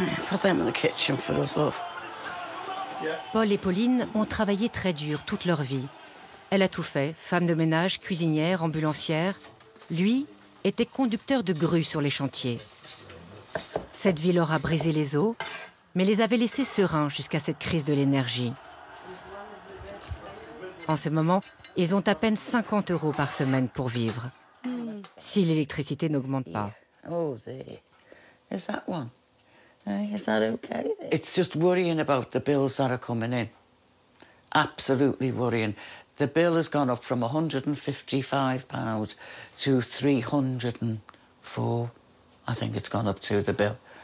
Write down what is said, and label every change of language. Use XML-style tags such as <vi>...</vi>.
<en>Put them in the kitchen for us, love.</en> <fr>Paul et Pauline ont travaillé très dur toute leur vie. Elle a tout fait, femme de ménage, cuisinière, ambulancière. Lui était conducteur de grue sur les chantiers. Cette vie leur a brisé les os, mais les avait laissés sereins jusqu'à cette crise de l'énergie. En ce moment, ils ont à peine 50 euros par semaine pour vivre, si l'électricité n'augmente pas.</fr> <en>Oh, there. Is that one? Is that okay? It's just worrying about the bills that are coming in. Absolutely worrying. The bill has gone up from £155 to £304. I think it's gone up to the bill.</en>